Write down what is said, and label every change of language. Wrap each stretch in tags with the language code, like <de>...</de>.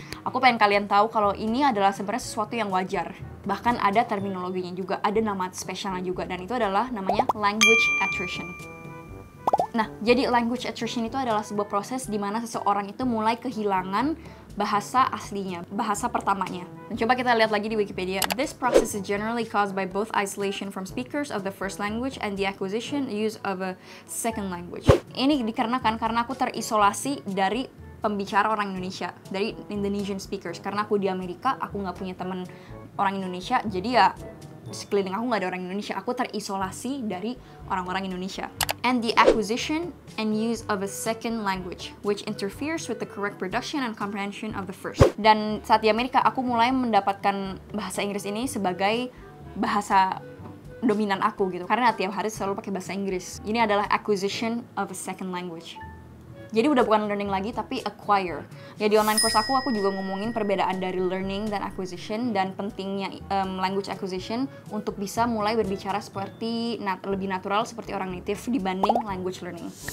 <id>Aku pengen kalian tahu kalau ini adalah sebenarnya sesuatu yang wajar. Bahkan ada terminologinya juga, ada nama spesialnya juga, dan itu adalah namanya language attrition. Nah, jadi language attrition itu adalah sebuah proses di mana seseorang itu mulai kehilangan bahasa aslinya, bahasa pertamanya. Dan coba kita lihat lagi di Wikipedia.</id> <en>This process is generally caused by both isolation from speakers of the first language and the acquisition use of a second language.</en> <id>Ini dikarenakan karena aku terisolasi dari pembicara orang Indonesia, dari Indonesian speakers. Karena aku di Amerika, aku nggak punya teman orang Indonesia, jadi ya sekeliling aku nggak ada orang Indonesia. Aku terisolasi dari orang-orang Indonesia.</id> <en>And the acquisition and use of a second language, which interferes with the correct production and comprehension of the first.</en> <id>Dan saat di Amerika, aku mulai mendapatkan bahasa Inggris ini sebagai bahasa dominan aku gitu. Karena tiap hari selalu pakai bahasa Inggris. Ini adalah acquisition of a second language. Jadi udah bukan learning lagi, tapi acquire. Ya, di online course aku juga ngomongin perbedaan dari learning dan acquisition, dan pentingnya language acquisition untuk bisa mulai berbicara seperti lebih natural seperti orang native dibanding language learning.</id>